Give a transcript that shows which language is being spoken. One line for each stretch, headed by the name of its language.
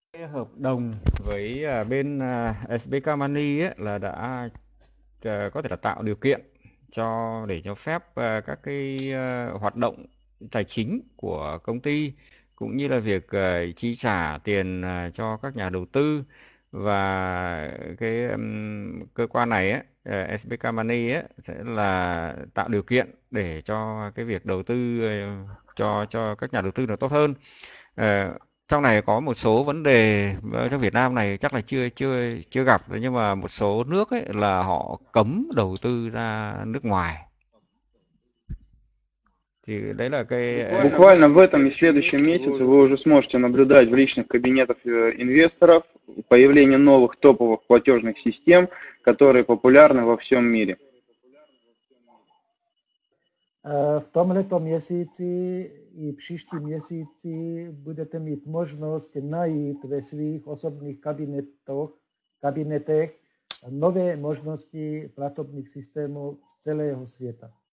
Vietnamese: Hợp đồng với bên SBK Money là đã có thể là tạo điều kiện cho để cho phép các cái hoạt động tài chính của công ty cũng như là việc chi trả tiền cho các nhà đầu tư và cái cơ quan này SBK Money sẽ là tạo điều kiện để cho cái việc đầu tư cho các nhà đầu tư nó tốt hơn. Trong này có một số vấn đề trong Việt Nam này chắc là chưa chưa chưa gặp, nhưng mà một số nước ấy là họ cấm đầu tư ra nước ngoài. Thì đấy là cái
Russian: буквально в этом и следующем месяце вы уже сможете наблюдать в личных кабинетах инвесторов появление новых топовых платежных систем, которые популярны во всем мире.
Czech: V tomto měsíci i příští měsíci budete mít možnost najít ve svých osobních kabinetech nové možnosti platobních systémů z celého světa.